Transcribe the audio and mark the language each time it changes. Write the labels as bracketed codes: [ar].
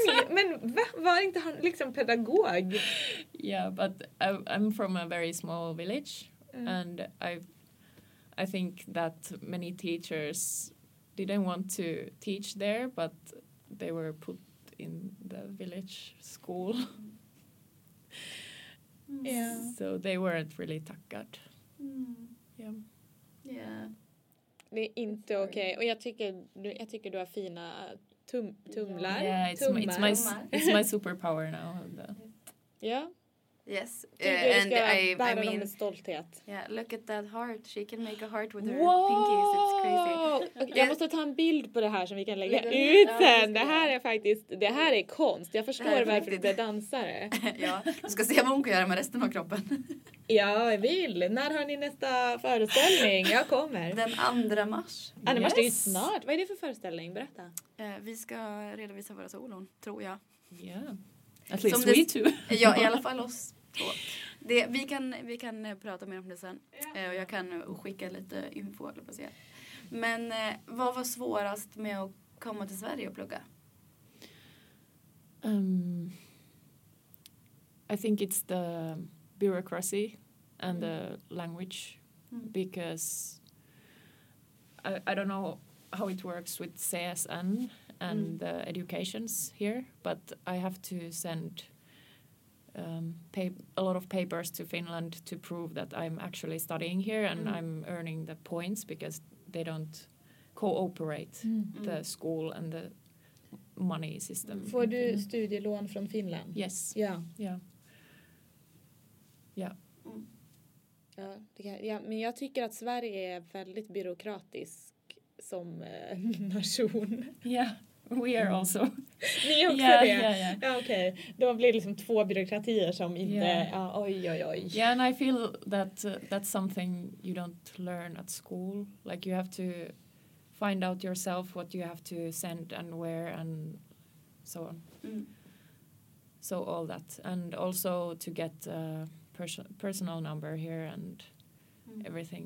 [sv] Men var inte han liksom pedagog? [en] Yeah, but I'm from a very small village. And I think that many teachers didn't want to teach there, but they were put in the village school. Yeah. So they weren't really tackad. Yeah. [sv] Det är inte okej. Och jag tycker du har fina tumlar. [en] Yeah, it's my superpower now. Yeah. Yes. And I mean stolthet. Yeah, look at that heart. She can make a heart with her pinkies. It's crazy. [sv] Okay, jag måste ta en bild på det här som vi kan lägga ut sen. Det här är faktiskt, det här är konst. Jag förstår varför du är dansare. Ja, du ska se vad hon kan göra med resten av kroppen. Ja, jag vill. När har ni nästa föreställning? Jag kommer. Den 2 mars. 2 mars, det är ju snart. Vad är det för föreställning? Berätta. Vi ska redovisa våra solon, tror jag. [en] Ja, yeah. At least we too. [sv] Ja, i alla fall oss två. Vi kan prata mer om det sen. Och jag kan skicka lite info, eller vad säger. Men vad var svårast med att komma till Sverige och plugga? [en] I think it's the bureaucracy and the language. Because I don't know how it works with CSN and the educations here. But I have to send a lot of papers to Finland to prove that I'm actually studying here and I'm earning the points because... They don't cooperate the school and the money system. [sv] Får du studielån från Finland? [en] Yes. [sv] Ja. Ja, men jag tycker att Sverige är väldigt byråkratisk som nation. [en] Ja, yeah, we are also. [sv] Ni är också det? Ja, okej. Okay. Då blir det liksom två byråkratier som inte... Oj. [en] Yeah, and I feel that that's something you don't learn at school. Like, you have to find out yourself what you have to send and where and so on. So all that. And also to get a personal number here and everything.